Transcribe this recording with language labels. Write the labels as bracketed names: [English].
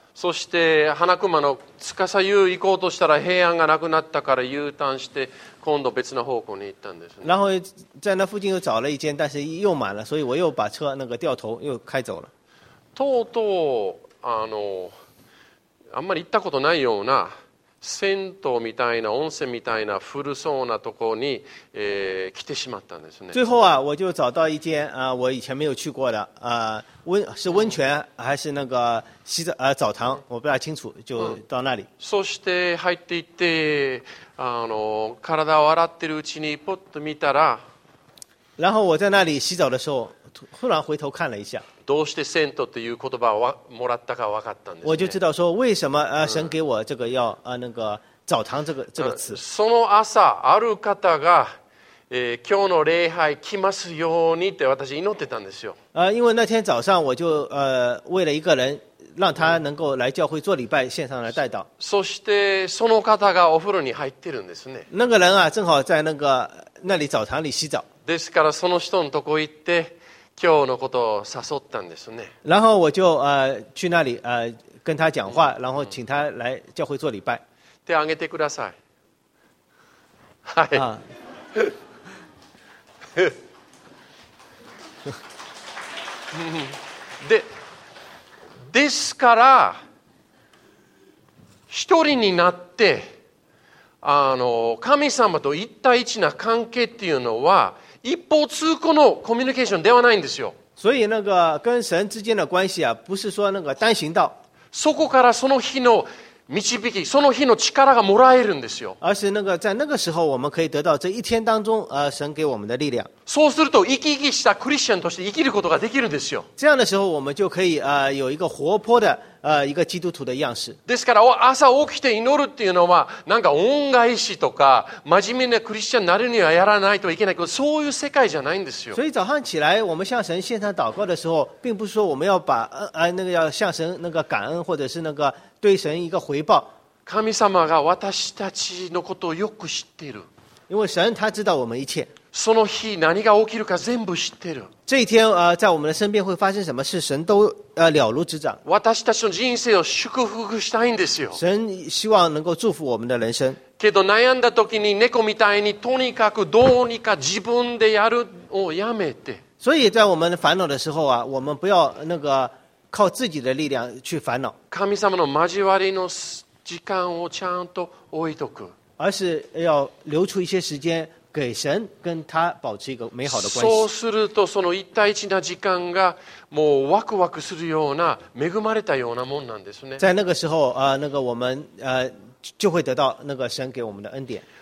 [Japanese] そして花熊の司湯行こうとしたら平安がなくなったから U ターンして今度別の方向に行ったんですね。 [Chinese] 然后在那附近又找了一间，但是又满了，所以我又把车那个掉头又开走了。 [Japanese] とうとうあんまり行ったことないような銭湯みたいな温泉みたいな古そうなところに来てしまったんですね。 [Chinese] 最后啊，我就找到一间我以前没有去过的是温泉还是那个洗澡澡堂，我不太清楚，就到那里。 [Japanese] そして入っていって体を洗ってるうちにポッと見たら， [Chinese] 然后我在那里洗澡的时候，忽然回头看了一下。 [Japanese] どうして銭湯という言葉をもらったか分かったんですね。 [Chinese] 我就知道说为什么神给我这个要那个澡堂这个词。 [Japanese] その朝ある方が今日の礼拝来ますようにって私祈ってたんですよ。 [Chinese] 因为那天早上我就为了一个人让他能够来教会做礼拜，献上来代祷。 [Japanese] そしてその方がお風呂に入ってるんですね。 [Chinese] 那个人啊正好在那个那里澡堂里洗澡。 [Japanese] ですからその人のとこ行って。今日のことを誘ったんですね。 [Chinese] 然后我就去那里跟他讲话，然后请他来教会做礼拜。 [Japanese] 手挙げてください。はい。で、ですから一人になって神様と一対一な関係っていうのは。一方通行のコミュニケーションではないんですよ。 [Chinese] 所以那个跟神之间的关系啊，不是说那个单行道。 [Japanese] そこからその日の導き、その日の力がもらえるんですよ。 [Chinese] 而是那个在那个时候，我们可以得到这一天当中，神给我们的力量。 [Japanese] そうすると生き生きしたクリスチャンとして生きることができるんですよ。 [Chinese] 这样的时候，我们就可以有一个活泼的一个基督徒的样式。 [Japanese] ですから朝起きて祈るっていうのはなんか恩返しとか真面目なクリスチャンになるにはやらないといけないけど、そういう世界じゃないんですよ。 [Chinese] 所以早上起来，我们向神献上祷告的时候，并不是说我们要把那个要向神那个感恩或者是那个。对神一个回报。 [Japanese] 神様が私たちのことをよく知っている。 [Chinese] 因为神他知道我们一切。 [Japanese] その日何が起きるか全部知っている。 [Chinese] 这一天在我们的身边会发生什么事，神都了如指掌。 [Japanese] 私たちの人生を祝福したいんですよ。 [Chinese] 神希望能够祝福我们的人生。 [Japanese] けど悩んだ時に猫みたいにとにかくどうにか自分でやるをやめて。 [Chinese] 所以在我们烦恼的时候啊，我们不要那个。靠自己的力量去烦恼。 [Japanese] 神様の交わりの時間をちゃんと置いとく。 [Chinese] 而是要留出一些时间给神，跟他保持一个美好的关系。 [Japanese] そうするとその一対一な時間がもうワクワクするような恵まれたようなもんなんですね。 [Chinese] 在那个时候，那个我们就会得到那个神给我们的恩典。